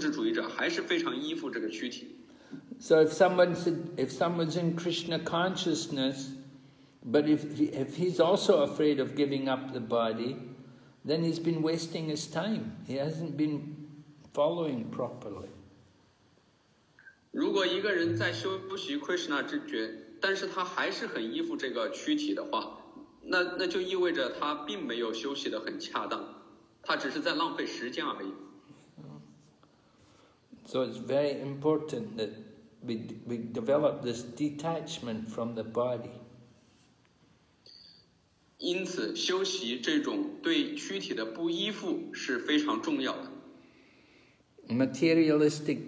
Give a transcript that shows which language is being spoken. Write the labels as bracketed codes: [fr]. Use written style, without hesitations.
[zh] 即便这个躯体充满了粪便和尿液，但是他们还是这些物质主义者还是非常依附这个躯体。 [en] So if someone's in Krishna consciousness, but if he's also afraid of giving up the body, then he's been wasting his time. He hasn't been following properly. [zh] 如果一个人在修习 Krishna 之觉，但是他还是很依附这个躯体的话，那就意味着他并没有休息得很恰当，他只是在浪费时间而已。 [en] So it's very important that we develop this detachment from the body. [zh] 因此，修习这种对躯体的不依附是非常重要的。 [en] Materialistic